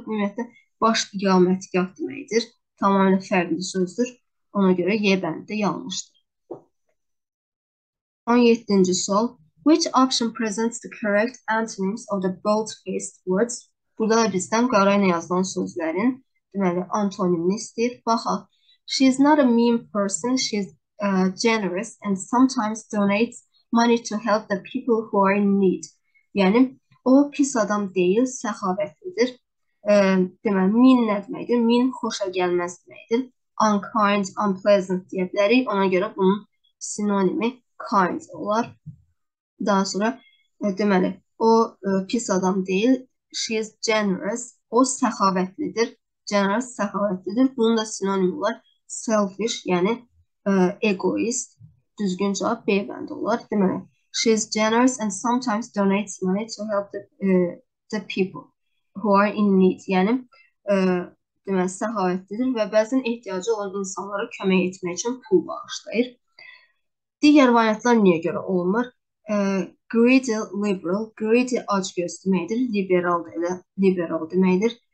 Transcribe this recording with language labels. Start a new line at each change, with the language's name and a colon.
Azerbaijani: Ümumiyyətlə, baş iqamətgah deməkdir. Tamamilə fərqli sözdür. Ona görə Y bəndi də yanlışdır. 17-ci sual.
English: Which option presents the correct antonyms of the bold-faced words?
Azerbaijani: Burada da bizdən qarayla yazılan sözlərin, deməli, antonimini istəyir. Baxaq.
English: She's not a mean person, she's generous and sometimes donates money to help the people who are in need.
Azerbaijani: Yəni, o pis adam deyil, səxavətlidir. Deməli, mean nə deməkdir? Mean xoşa gəlməz deməkdir. Unkind, unpleasant deyə bilərik. Ona görə bunun sinonimi kind olar. Daha sonra, deməli, o pis adam deyil.
English: She is generous.
Azerbaijani: O səxavətlidir.
English: Generous, səxavətlidir.
Azerbaijani: Bunun da sinonimi olar. Selfish, yəni egoist, düzgün cavab B bəndi olar. Deməli,
English: she is generous and sometimes donates money to help the people who are in need.
Azerbaijani: Yəni, deməli, səxavətlidir və bəzən ehtiyacı olan insanlara kömək etmək üçün pul bağışlayır. Digər variantlar niyə görə olunur? Greedy liberal, greedy açgözlü deməkdir, liberal deməkdir.